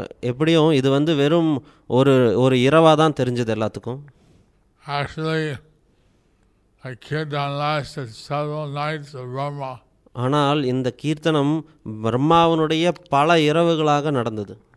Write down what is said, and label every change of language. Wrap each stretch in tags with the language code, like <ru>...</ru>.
<ta>எப்படியும் இது வந்து வெறும் ஒரு ஒரு இரவா தான் தெரிஞ்சது எல்லாத்துக்கும்.</ta> <en>Actually, the kirtan lasted several nights of Rama.</en> <ta>ஆனால் இந்த கீர்த்தனம் பிரம்மாவினுடைய பல இரவுகளாக நடந்தது.</ta>